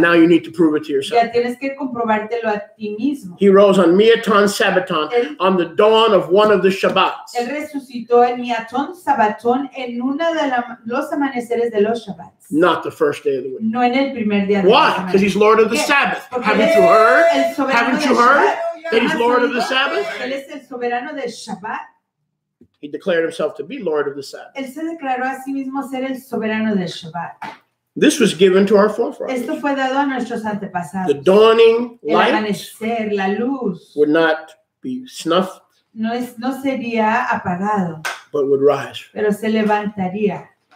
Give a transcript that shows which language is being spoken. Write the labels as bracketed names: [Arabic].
[English] Now you need to prove it to yourself. [Spanish] Ya tienes que comprobártelo a ti mismo. [English] He rose on Miatan Sabbaton on the dawn of one of the Shabbats. [Spanish] Él resucitó en Miatan Sabbaton en una de los amaneceres de los Shabbats. [English] Not the first day of the week. [Spanish] No en el primer día. [English] Why? Because he's Lord of the Sabbath. [Spanish] Porque [English] haven't you heard? Haven't you heard that he's Lord of the Sabbath? [Spanish] Él es el soberano del Shabbat. [English] He declared himself to be Lord of the Sabbath. [Spanish] Él se declaró a sí mismo ser el soberano del Shabbat. [English] This was given to our forefathers. [Spanish] Esto fue dado a nuestros antepasados. [English] The dawning light. [Spanish] El amanecer, la luz. [English] Would not be snuffed. [Spanish] No sería apagado. [English] But would rise. [Spanish] Pero se levantaría.